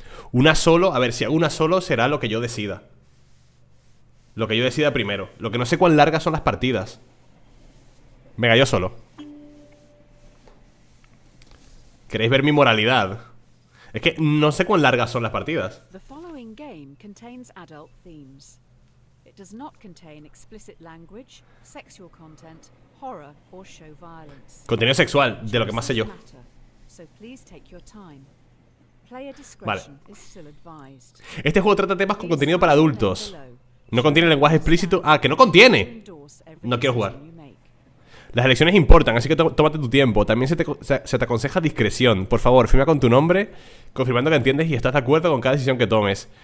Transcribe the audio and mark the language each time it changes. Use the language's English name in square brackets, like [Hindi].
[Spanish] Una solo, a ver, si hago una solo será lo que yo decida. Lo que yo decida primero. Lo que no sé cuán largas son las partidas. Venga, yo solo. ¿Queréis ver mi moralidad? Es que no sé cuán largas son las partidas. [English] The following game contains adult themes. It does not contain explicit language, sexual content, horror or show violence. [Spanish] Contenido sexual, de lo que más sé yo. [English] So please take your time. Player discretion is still advised. [Spanish] Este juego trata temas con contenido para adultos. No contiene lenguaje explícito. Ah, que no contiene. No quiero jugar. Las elecciones importan, así que tómate tu tiempo. También se te aconseja discreción. Por favor, firma con tu nombre, confirmando que entiendes y estás de acuerdo con cada decisión que tomes.